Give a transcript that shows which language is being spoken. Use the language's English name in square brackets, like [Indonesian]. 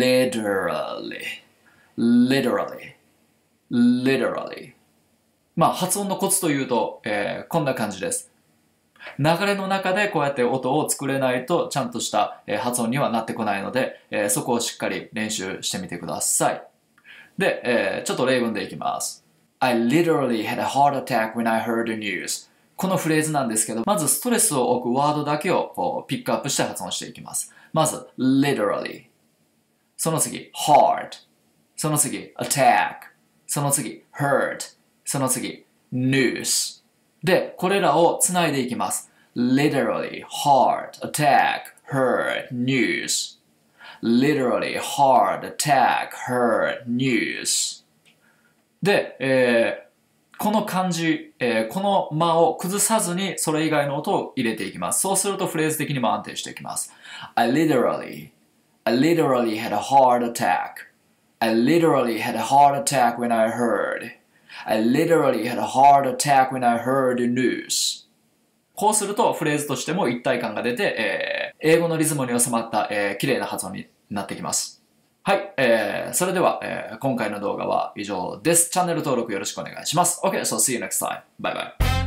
[English] literally, literally, literally。 [Japanese] まあ、発音のコツというと、こんな感じです。流れの中でこうやって音を作れないと、ちゃんとした発音にはなってこないので、そこをしっかり練習してみてください。で、ちょっと例文でいきます。 [English] I literally had a heart attack when I heard the news. [Japanese] このフレーズなんですけど、まずストレスを置くワードだけをこうピックアップして発音していきます。まず、literally。その次、heart。その次、attack。その次、hurt。その次、news。で、これらをつないでいきます。 [English] literally, heart, attack, hurt, news。 literally, heart, attack, hurt, news。で、 [Japanese] この漢字、この間を崩さずにそれ以外の音を入れていきます。そうするとフレーズ的にも安定していきます。 [English] I literally had a heart attack. I literally had a heart attack when I heard. I literally had a heart attack when I heard news. [Japanese] こうするとフレーズとしても一体感が出て、英語のリズムに収まった、綺麗な発音になってきます。はい、それでは、今回の動画は以上です。チャンネル登録よろしくお願いします。 [English] Okay, so see you next time. Bye bye.